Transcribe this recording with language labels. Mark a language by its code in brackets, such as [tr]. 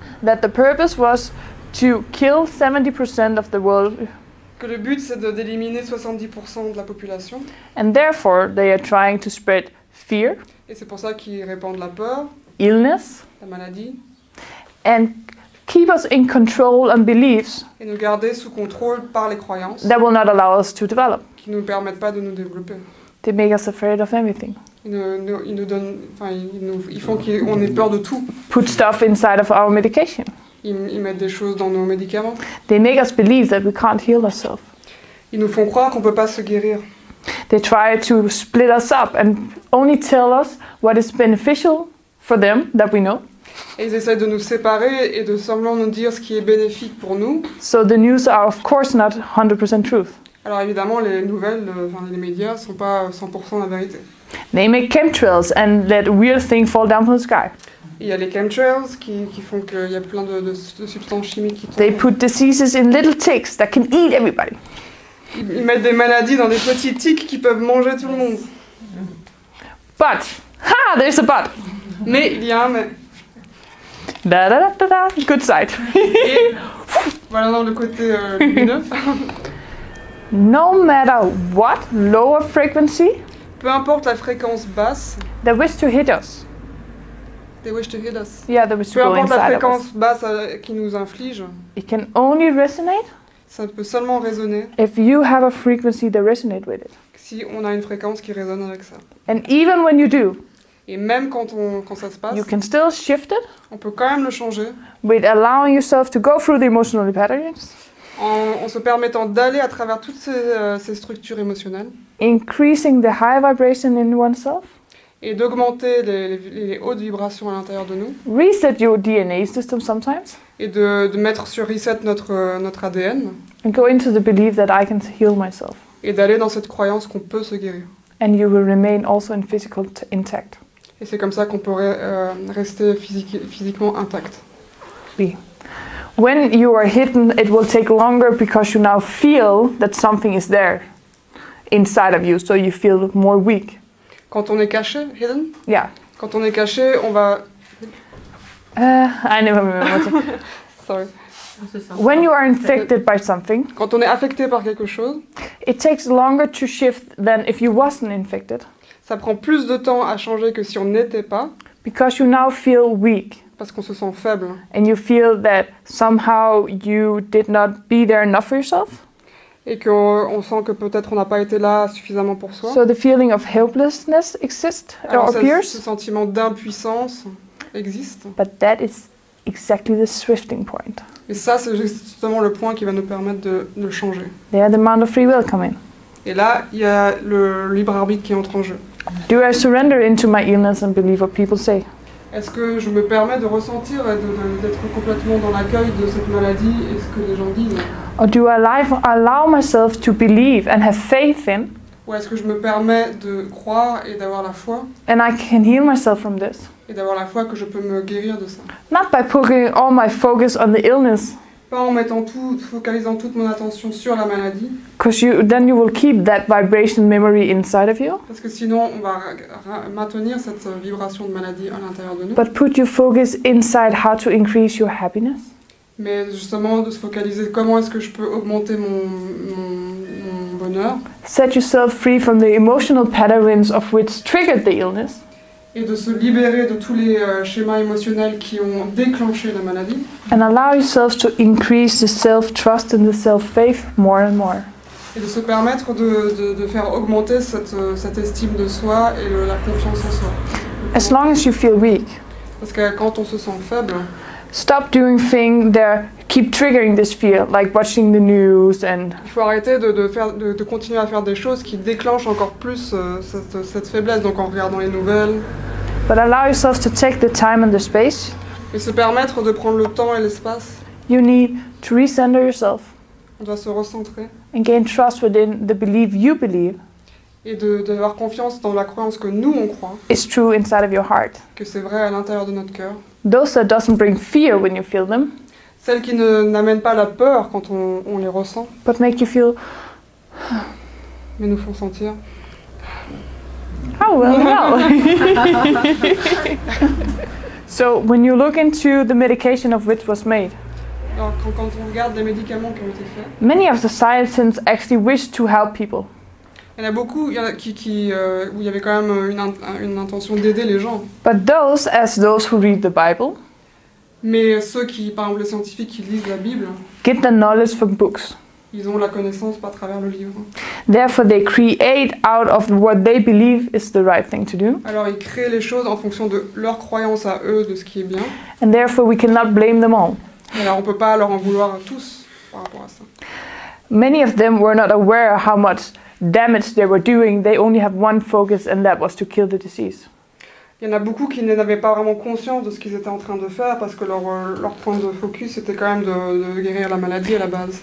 [en] That the purpose was to kill 70% of the world. [fr] Que le but c'est d'éliminer 70% de la population. [en] And therefore they are trying to spread fear. [fr] Et c'est pour ça qu'ils répandent la peur, [en] illness, [fr] la maladie, [en] and keep us in control and beliefs, [fr] et nous garder sous contrôle par les croyances, [en] that will not allow us to develop, [fr] qui ne nous permettent pas de nous développer. [en] They make us afraid of everything. [fr] Ils font qu'on ait peur de tout. [en] Put stuff inside of our medication. [fr] Ils mettent des choses dans nos médicaments. [en] They make us believe that we can't heal ourselves. [fr] Ils nous font croire qu'on peut pas se guérir. [en] They try to split us up and only tell us what is beneficial for them that we know. [fr] Et ils essaient de nous séparer et de semblant nous dire ce qui est bénéfique pour nous. [en] So the news are of course not 100% truth. [fr] Alors évidemment les nouvelles, les médias sont pas 100% la vérité. [en] They make chemtrails and let weird things fall down from the sky. [fr] Il y a les chemtrails qui font qu'il y a plein de substances chimiques qui tombent. [en] They put diseases in little ticks that can eat everybody. [fr] Ils mettent des maladies dans des petits tics qui peuvent manger tout le monde. [en] But, ha, there's a but. [fr] Mais il y a un mais. [en] Da da da da da, good side. [fr] Voilà dans le côté lumineux. [en] No matter what lower frequency. [fr] Peu importe la fréquence basse. [en] They wish to hit us. They wish to hit us. Yeah, they wish to go inside of us. [fr] Peu importe la fréquence basse qui nous inflige. [en] It can only resonate. [fr] Ça peut seulement résonner. [en] If you have a frequency that resonates with it. [fr] Si on a une fréquence qui résonne avec ça. [en] And even when you do. [fr] Et même quand ça se passe. [en] You can still shift it. [fr] On peut quand même le changer. [en] With allowing yourself to go through the emotional patterns. [fr] En se permettant d'aller à travers toutes ces structures émotionnelles. [en] Increasing the high vibration in oneself. [fr] et d'augmenter les hautes vibrations à l'intérieur de nous. [en] Reset your DNA system sometimes. [fr] Et de mettre sur reset notre ADN. [en] And go into the belief that I can heal myself. [fr] Et d'aller dans cette croyance qu'on peut se guérir. [en] And you will remain also in physical intact. [fr] Et c'est comme ça qu'on pourrait rester physiquement intact. Oui. [en] When you are hidden, it will take longer because you now feel that something is there inside of you, so you feel more weak. [fr] Quand on est caché, hidden? [en] Yeah. [fr] Quand on est caché, on va... [en] I never remember. Sorry. When you are infected by something, [fr] quand on est affecté par quelque chose, [en] it takes longer to shift than if you wasn't infected. [fr] Ça prend plus de temps à changer que si on n'était pas. [en] Because you now feel weak. [fr] Parce qu'on se sent faible. [en] And you feel that somehow you did not be there enough for yourself. [fr] Et qu'on sent que peut-être on n'a pas été là suffisamment pour soi. [en] So the feeling of helplessness exists or appears. [fr] Ce sentiment d'impuissance existe. [en] But that is exactly the shifting point. [fr] Et ça, c'est justement le point qui va nous permettre de le changer. [en] There the amount of free will come in. [fr] Et là, il y a le libre arbitre qui entre en jeu. [en] Do I surrender into my illness and believe what people say? [fr] Est-ce que je me permets de ressentir et d'être complètement dans l'accueil de cette maladie et ce que les gens disent? [en] Or do I allow myself to believe and have faith in? [fr] Ou est-ce que je me permets de croire et d'avoir la foi? [en] And I can heal myself from this. [fr] Et d'avoir la foi que je peux me guérir de ça. [en] Not by putting all my focus on the illness. [fr] Pas en mettant tout, focalisant toute mon attention sur la maladie. [en] Because then you will keep that vibration memory inside of you. [fr] Parce que sinon, on va maintenir cette vibration de maladie à l'intérieur de nous. [en] But put your focus inside how to increase your happiness. [fr] Mais justement, de se focaliser, comment est-ce que je peux augmenter mon bonheur? [en] Set yourself free from the emotional patterns of which triggered the illness. [fr] Et de se libérer de tous les schémas émotionnels qui ont déclenché la maladie. [en] And allow yourself to increase the self-trust and the self-faith more and more. [fr] Et de se permettre de faire augmenter cette estime de soi et la confiance en soi. [en] As long as you feel weak. [fr] Parce que quand on se sent faible. [en] Stop doing things that keep triggering this fear, like watching the news and. [fr] Il faut arrêter de continuer à faire des choses qui déclenchent encore plus cette faiblesse, donc en regardant les nouvelles. [en] But allow yourself to take the time and the space. [fr] Et se permettre de prendre le temps et l'espace. [en] You need to recenter yourself. [fr] On doit se recentrer. [en] And gain trust within the belief you believe. [fr] Et d'avoir confiance dans la croyance que nous on croit. [en] It's true inside of your heart. [fr] Que c'est vrai à l'intérieur de notre cœur. [en] Those that doesn't bring fear when you feel them. [fr] Celles qui n'amènent pas la peur quand on les ressent. [en] But make you feel. [fr] Mais nous font sentir. [en] How well now. So when you look into the medication of which was made. [fr] Alors quand on regarde les médicaments qui ont été faits. [en] Many of the scientists actually wish to help people. [fr] Il y en a beaucoup où il y avait quand même une intention d'aider les gens. [en] But those, as those who read the Bible, [fr] mais ceux qui, par exemple les scientifiques qui lisent la Bible, [en] get the knowledge from books. [fr] Ils ont la connaissance par travers le livre. [en] Therefore, they create out of what they believe is the right thing to do. [fr] Alors ils créent les choses en fonction de leur croyance à eux de ce qui est bien. [en] And therefore, we cannot blame them all. [fr] Alors on peut pas leur en vouloir à tous par rapport à ça. [en] Many of them were not aware how much damage they were doing, they only have one focus and that was to kill the disease. [fr] Il y en a beaucoup qui n'avaient pas vraiment conscience de ce qu'ils étaient en train de faire parce que leur point de focus était quand même de guérir la maladie à la base.